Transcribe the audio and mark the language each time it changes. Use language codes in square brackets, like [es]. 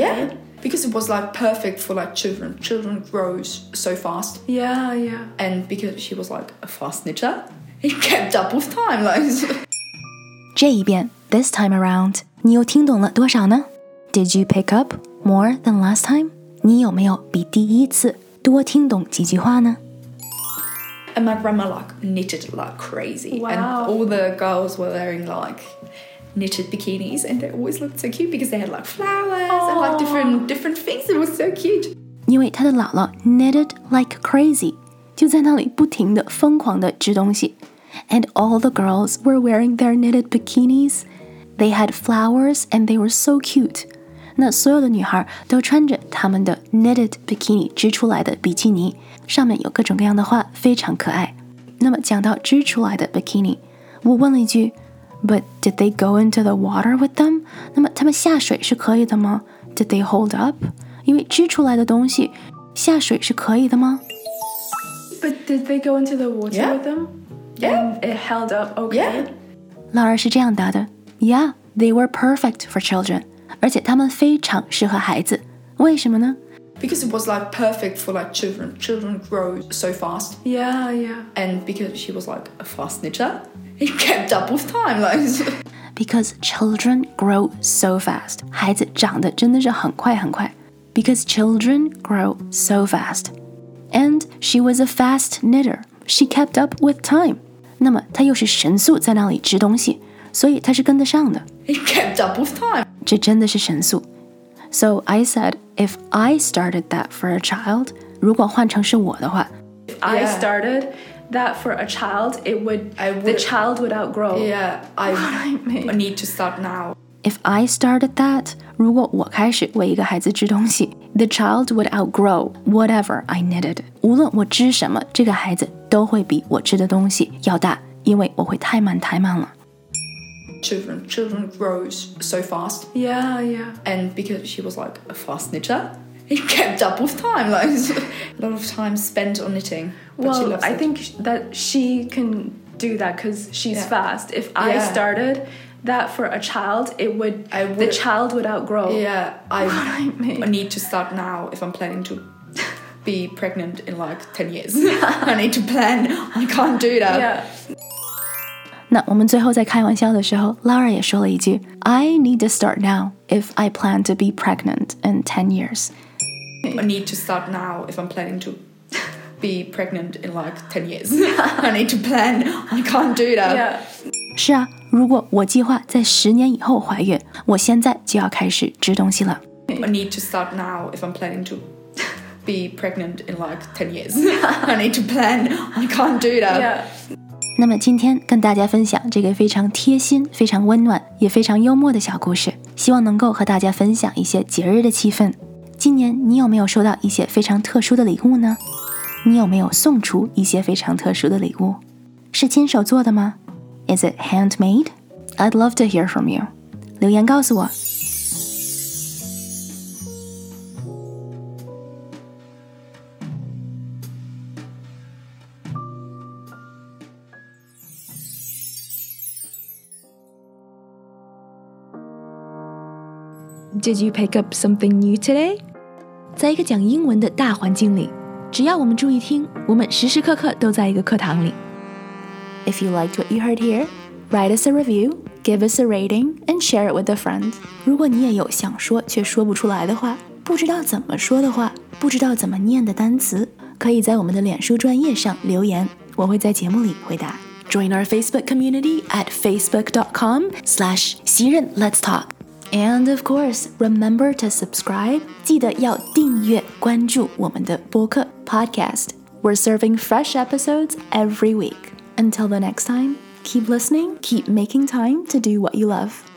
[en] Yeah, because it was, like, perfect for, like, children. Children grow so fast. Yeah, yeah. And because she was, like, a fast knitter. He kept up with time, like. [zh] 这一遍 [en] this time around, [zh] 你又听懂了多少呢 ？ [en] Did you pick up more than last time? [zh] 你有没有比第一次多听懂几句话呢 [en] ？And my grandma like knitted like crazy, Wow. and all the girls were wearing like knitted bikinis, and they always looked so cute because they had like flowers Aww. And like different things. It was so cute. [zh] 因为她的姥姥 [en] knitted like crazy. [zh] 就在那里不停地疯狂地织东西 [en] And all the girls were wearing their knitted bikinis. They had flowers and they were so cute. [zh] 那所有的女孩都穿着她们的 [en] knitted bikini [zh] 织出来的比基尼，上面有各种各样的花，非常可爱。那么讲到织出来的 bikini， 我问了一句 [en] But did they go into the water with them? [zh] 那么她们下水是可以的吗？ [en] Did they hold up? [zh] 因为织出来的东西下水是可以的吗？ [en] But did they go into the water Yeah. with them? Yeah. And it held up okay? Yeah. Laura [zh] 是这样答的 [en] Yeah, they were perfect for children. [zh] 而且他们非常适合孩子。为什么呢 [en] Because it was like perfect for like children. Children grow so fast. Yeah, yeah. And because she was like a fast knitter, he kept up with time. Like. Because children grow so fast. [zh] 孩子长得真的是很快很快。 [en] because children grow so fast. And she was a fast knitter. She kept up with time. [zh] 那么她又是神速在那里织东西，所以她是跟得上的。 [en] He kept up with time. [zh] 这真的是神速。 [en] So I said, if I started that for a child, [zh] 如果换成是我的话 [en] If I started that for a child, the child would outgrow. Yeah, I need to start now. If I started that, [zh] 如果我开始为一个孩子织东西 [en] the child would outgrow whatever I knitted. [zh] 无论我织什么，这个孩子都会比我织的东西要大，因为我会太慢太慢了。 [en] Children grow so fast. Yeah, yeah. And because she was like a fast knitter, he kept up with time. Like, a lot of time spent on knitting. Well, I think that she can do that because she's fast. If I started that for a child, the child would outgrow. Yeah, I need to start now if I'm planning to be pregnant in like 10 years. I need to plan. I can't do that. Yeah. [zh] 那我们最后在开玩笑的时候 [en] Laura [zh] 也说了一句 [en] I need to start now if I plan to be pregnant in 10 years. I need to start now if I'm planning to be pregnant in like 10 years. I need to plan. I can't do that. Yeah. [zh] 是啊，如果我计划在十年以后怀孕，我现在就要开始织东西了。 [en] I need to start now if I'm planning to be pregnant in like 10 years. I need to plan. I can't do that. Yeah. [zh] 那么今天跟大家分享这个非常贴心非常温暖也非常幽默的小故事希望能够和大家分享一些节日的气氛今年你有没有收到一些非常特殊的礼物呢你有没有送出一些非常特殊的礼物是亲手做的吗 [en] Is it handmade? I'd love to hear from you [zh] 留言告诉我 [en] Did you pick up something new today? [zh] 在一个讲英文的大环境里，只要我们注意听，我们时时刻刻都在一个课堂里。 [en] If you liked what you heard here, write us a review, give us a rating, and share it with a friend. [zh] 如果你也有想说却说不出来的话，不知道怎么说的话，不知道怎么念的单词，可以在我们的脸书专页上留言，我会在节目里回答。 [en] Join our Facebook community at facebook.com/Xi Ren Let's Talk. And of course, remember to subscribe. [zh] 记得要订阅关注我们的播客 podcast. [en] We're serving fresh episodes every week. Until the next time, keep listening, keep making time to do what you love.